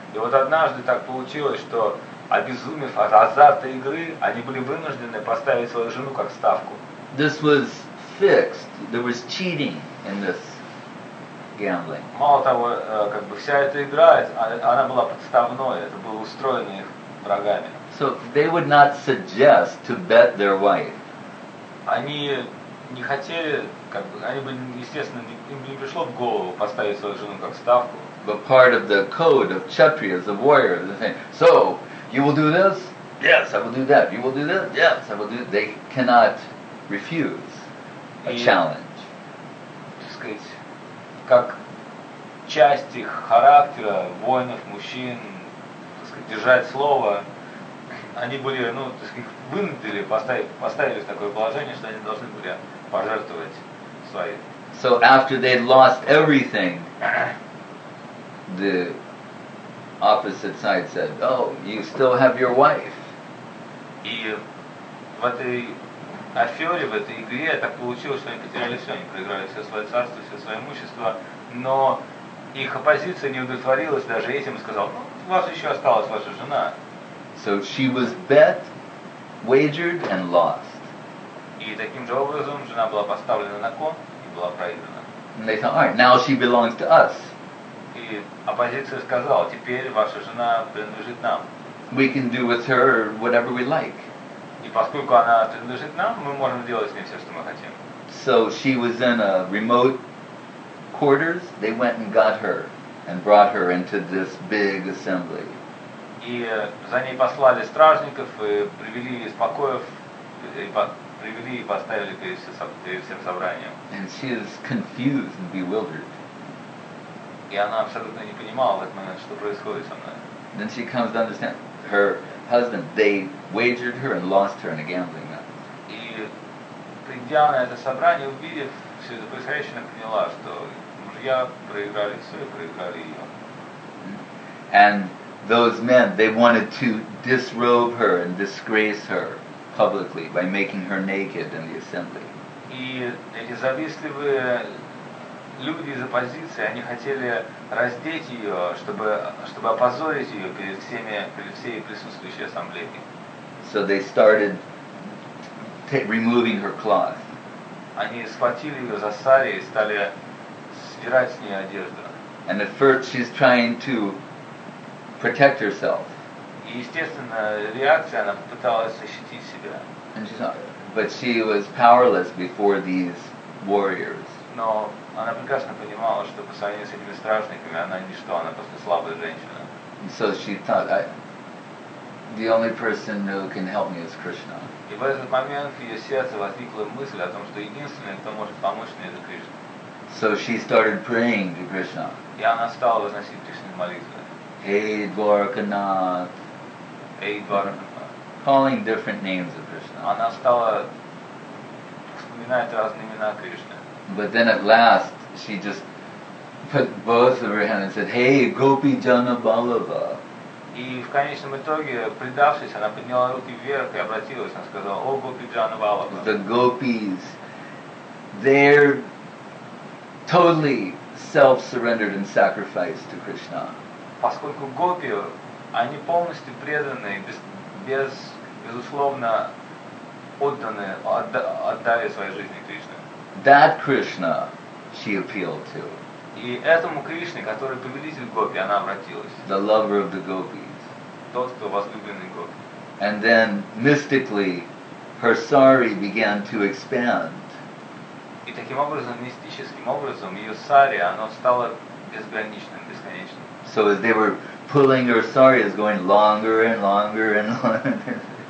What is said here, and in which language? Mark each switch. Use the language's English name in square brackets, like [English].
[Russian] И вот однажды так получилось, что обезумев от азарта игры, они были вынуждены поставить свою жену как ставку. [English] This was fixed. There was cheating in this gambling. [Russian] Мало того, как бы вся эта игра, она была подставной, это было устроено их врагами. [English] So they would not suggest to bet their wife. [Russian] Они не хотели, как бы, они бы, естественно, им бы не пришло в голову поставить свою жену как ставку. [English] But part of the code of Kshatriyas, of warriors, they say, so, you will do this? Yes, I will do that. You will do this? Yes, I will do that. They cannot refuse a challenge. [Russian] Так сказать, как часть их характера, воинов, мужчин, так сказать, держать слово, они были, ну, так сказать, их вынудили, поставили в такое положение, что они должны были пожертвовать свои. [English] So after they lost everything, the opposite side said, oh, you still have your wife. [Russian] И в этой афере, в этой игре так получилось, что они потеряли все, они проиграли все свое царство, все свое имущество, но их оппозиция не удовлетворилась даже этим и сказала, ну, у вас еще осталась ваша жена. [English] So she was bet, wagered, and lost. [Russian] И таким же образом жена была поставлена на кон и была проиграна. [English] And they thought, all right, now she belongs to us. [Russian] И оппозиция сказала, теперь ваша жена принадлежит нам. [English] We can do with her whatever we like. [Russian] И поскольку она принадлежит нам, мы можем делать с ней все, что мы хотим. [English] So she was in a remote quarters. They went and got her and brought her into this big assembly. [Russian] И за ней послали стражников и привели из покоев, привели и поставили перед всем собранием. [English] And she is confused and bewildered. [Russian] И она абсолютно не понимала в этот момент, что происходит со мной. [English] Then she comes to understand her husband, they wagered her and lost her in a gambling match. [Russian] И придя на это собрание, увидев все это происходящее, она поняла, что мужья проиграли все и проиграли ее. [English] And those men, they wanted to disrobe her and disgrace her publicly by making her naked in the assembly. [Russian] И эти завистливые люди из оппозиции, они хотели раздеть ее, чтобы опозорить ее перед всей присутствующей ассамблеей. [English] So they started removing her cloth. [Russian] Они схватили ее за сари и стали сдирать с нее одежду. [English] And at first she's trying to protect herself. [Russian] И естественно реакция, она пыталась защитить себя. [English] And she thought, but she was powerless before these warriors. [Russian] Но она прекрасно понимала, что по сравнению с этими стражниками она ничто, она просто слабая женщина. [English] And so she thought, the only person who can help me is Krishna. [Russian] И в этот момент в ее сердце возникла мысль о том, что единственный, кто может помочь мне, это Кришна. [English] So she started praying to Krishna. [Russian] И она стала возносить Кришне молитвы. [English] Hey Dwarakanath. Hey Dwarakanath. Calling different names of Krishna. [Russian] Она стала вспоминать разные имена Кришны. [English] But then at last, she just put both of her hands and said, Hey, Gopi Jana Balava. [Russian] И в конечном итоге, предавшись, она подняла руки вверх и обратилась. Она сказала, О, Гопи Джана Балава. [English] The gopis, they're totally self-surrendered and sacrificed to Krishna. [Russian] Поскольку гопи, они полностью преданы и безусловно отданы, отдали свои жизни Кришне. [English] That Krishna she appealed to. [Russian] И этому Кришне, который повелитель гопи, она обратилась. [English] The lover of the gopis. [Russian] Тот, кто возлюбленный гопи. [English] And then mystically her sari began to expand. [Russian] И таким образом, мистическим образом, ее сари, оно стало безграничным, бесконечным. [English] So as they were pulling her sari, it was going longer and longer and longer.